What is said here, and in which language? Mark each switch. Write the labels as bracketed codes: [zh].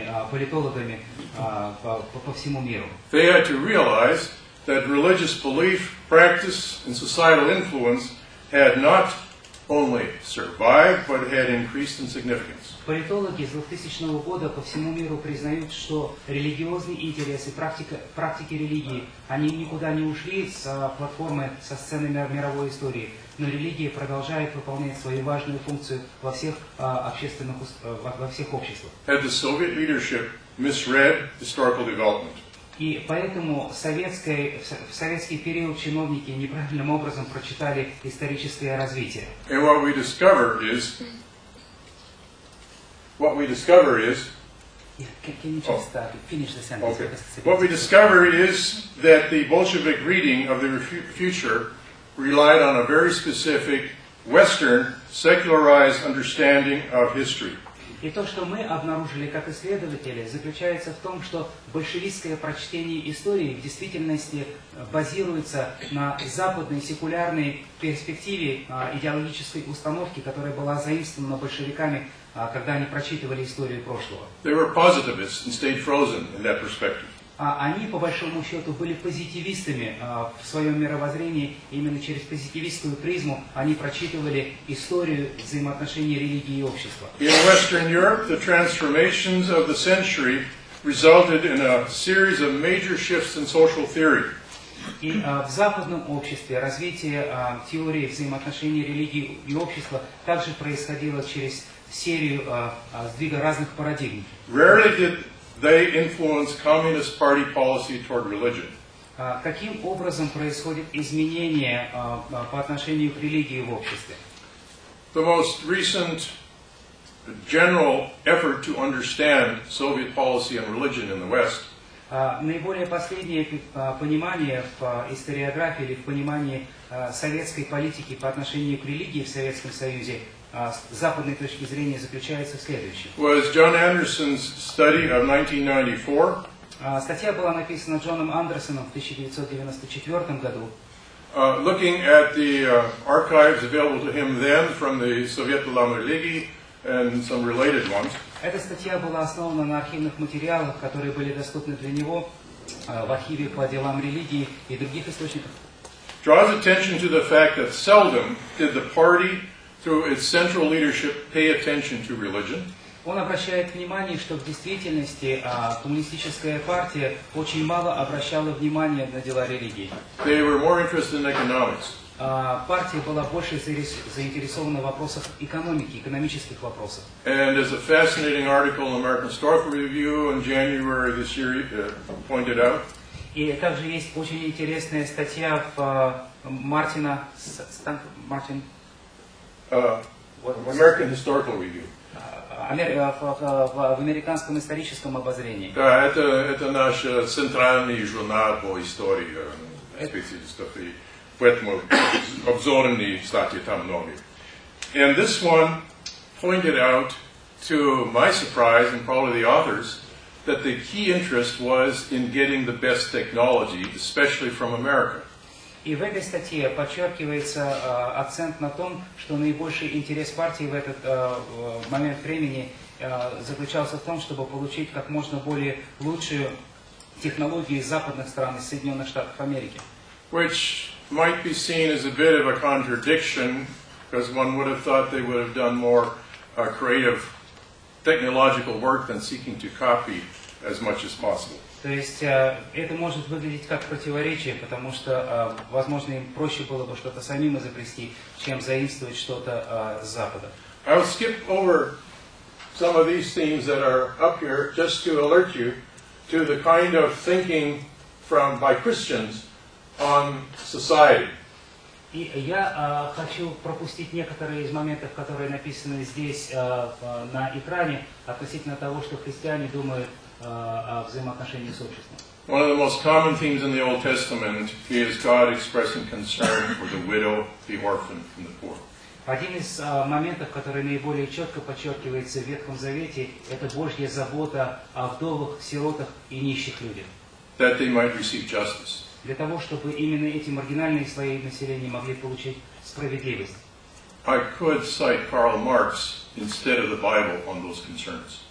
[ru] Политологами по всему миру. [en] They had to realize that religious belief, practice and societal influence had not only survived, but had increased in significance. [ru] Политологи с 2000 года по всему миру признают, что религиозные интересы, практики религии, они никуда не ушли с платформы, со сцены мировой истории, но религия продолжает выполнять свою важную функцию во всех общественных во всех обществах. [en] Had the Soviet leadership misread historical development? [ru] И поэтому в советский период чиновники неправильным образом прочитали историческое развитие. [en] And what we discover is, can you just finish the sentence? Okay. What we discover is that the Bolshevik reading of the future relied on a very specific Western secularized understanding of history. [ru] И то, что мы обнаружили как исследователи, заключается в том, что большевистское прочтение истории в действительности базируется на западной секулярной перспективе идеологической установки, которая была заимствована большевиками когда они прочитывали историю прошлого. [en] They were positivists and stayed frozen in that perspective. [ru] Они, по большому счету, были позитивистами в своем мировоззрении. Именно через позитивистскую призму они прочитывали историю взаимоотношений религии и общества. [en] In Western Europe, the transformations of the century resulted in a series of major shifts in social theory. [ru] И в западном обществе развитие теории взаимоотношений религии и общества также происходило через серию сдвига разных парадигм. [en] Rarely did they influence Communist Party policy toward religion. [ru] Каким образом происходит изменение по отношению к религии в обществе? [en] The most recent general effort to understand Soviet policy on religion in the West. [ru] Наиболее последнее понимание в историографии или в понимании советской политики по отношению к религии в Советском Союзе с западной точки зрения заключается в следующем. [en] Was John Anderson's study of 1994. [ru] Статья была написана Джоном Андерсоном в 1994 году. [en] Looking at the archives available to him then from the Sovjetlam Religii and some related ones. [ru] Эта статья была основана на архивных материалах, которые были доступны для него в архиве по делам религии и других источниках. [en] Draws attention to the fact that seldom did the party, through its central leadership, pay attention to religion. [ru] Он обращает внимание, что в действительности коммунистическая партия очень мало обращала внимание на дела религии. [en] They were more interested in economics. [ru] Партия была больше заинтересована в вопросах экономики, экономических вопросов. [en] And as a fascinating article in American Historical Review in January this year pointed out. [ru] И также есть очень интересная статья в Мартина Мартин. [en] American Historical Review. [ru] В американском историческом обозрении. Да, это наш центральный журнал по истории специалистов. Поэтому обзорные статьи там много. [en] And this one pointed out, to my surprise and probably the author's, that the key interest was in getting the best technology, especially from America. [ru] И в этой статье подчеркивается акцент на том, что наибольший интерес партии в этот момент времени заключался в том, чтобы получить как можно более лучшие технологии из западных стран, из Соединенных Штатов Америки. [en] Which might be seen as a bit of a contradiction, because one would have thought they would have done more creative technological work than seeking to copy as much as possible. [ru] То есть это может выглядеть как противоречие, потому что, возможно, им проще было бы что-то самим изобрести, чем заимствовать что-то с Запада. [en] I'll skip over some of these themes that are up here just to alert you to the kind of thinking from by Christians on society. [ru] И я хочу пропустить некоторые из моментов, которые написаны здесь на экране, относительно того, что христиане думают о взаимоотношении с обществом. [en] One of the most common themes in the Old Testament is God expressing concern for the widow, the orphan, and the poor. [ru] Один из моментов, который наиболее четко подчеркивается в Ветхом Завете, это Божья забота о вдовах, сиротах и нищих людях. [en] That they might receive justice. [ru] Для того, чтобы именно эти маргинальные слои населения могли получить справедливость. [en] I could cite Karl Marx instead of the Bible on those concerns.